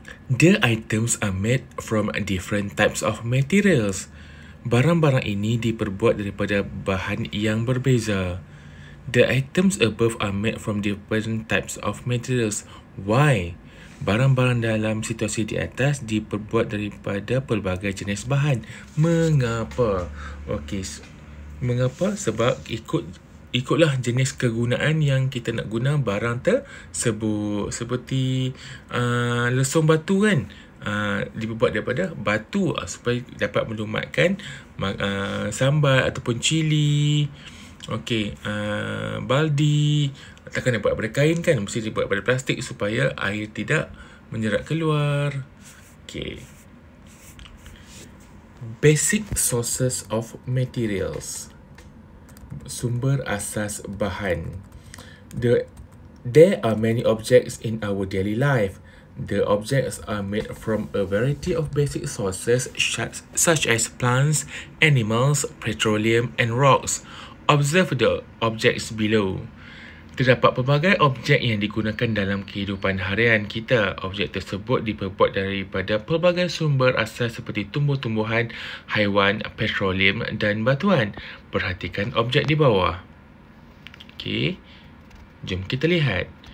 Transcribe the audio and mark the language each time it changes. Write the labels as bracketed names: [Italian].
[English] The items are made from different types of materials. [Malay] Barang-barang ini diperbuat daripada bahan yang berbeza. [English] The items above are made from different types of materials. Why? [Malay] Barang-barang dalam situasi di atas diperbuat daripada pelbagai jenis bahan. Mengapa? Okey. Mengapa? Sebab ikutlah jenis kegunaan yang kita nak guna barang tersebut. Seperti lesung batu kan? Diperbuat daripada batu supaya dapat melumatkan sambal ataupun cili. Okey. Baldi. Takkan dibuat daripada kain kan? Mesti dibuat daripada plastik supaya air tidak menyerap keluar. [English] Okay. Basic sources of materials. [Malay] Sumber asas bahan. [English] There are many objects in our daily life. The objects are made from a variety of basic sources such as plants, animals, petroleum and rocks. Observe the objects below. [Malay] Terdapat pelbagai objek yang digunakan dalam kehidupan harian kita. Objek tersebut diperbuat daripada pelbagai sumber asas seperti tumbuh-tumbuhan, haiwan, petroleum dan batuan. Perhatikan objek di bawah. Okey, jom kita lihat.